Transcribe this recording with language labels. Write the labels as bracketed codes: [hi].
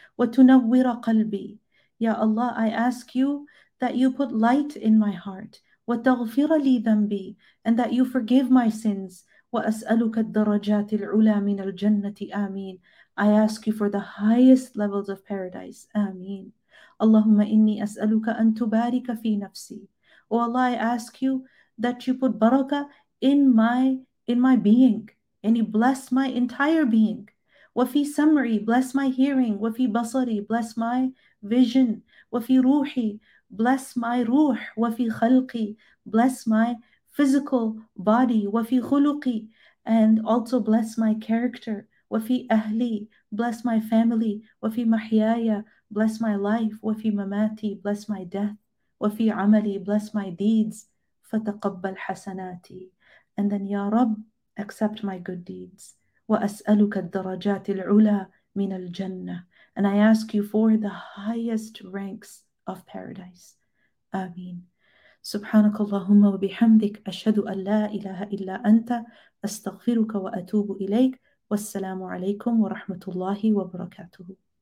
[ar] وَتُنَوِّرَ قَلْبِي, [en] Ya Allah, I ask you that you put light in my heart. [ar] وَتَغْفِرَ لِي ذَنْبِي, [en] and that you forgive my sins. [ar] وَأَسْأَلُكَ الدَّرَجَاتِ الْعُلَى مِنَ الْجَنَّةِ آمِينَ, [en] I ask you for the highest levels of paradise. Ameen. [ar] اللهم إني أسألك أن تبارك في نفسي. [en] Oh Allah, I ask you that you put barakah in my being, [ar] يعني [en] bless my entire being. [ar] وفي سمعي [en] bless my hearing. [ar] وفي بصري [en] bless my vision. [ar] وفي روحي [en] bless my روح. [ar] وفي خلقي [en] bless my physical body. [ar] وفي خلقي [en] and also bless my character. [ar] وفي أهلي [en] bless my family. [ar] وفي محياي [en] bless my life. [ar] وفي مماتي [en] bless my death. [ar] وفي عملي [en] bless my deeds. [ar] فتقبل حسناتي. [en] And then [ar] يا رب [en] accept my good deeds. [ar] وأسألك الدرجات العلى من الجنة. [en] And I ask you for the highest ranks of paradise. [ar] آمين. سبحانك اللهم وبحمدك أشهد أن لا إله إلا أنت أستغفرك وأتوب إليك. والسلام عليكم ورحمة الله وبركاته.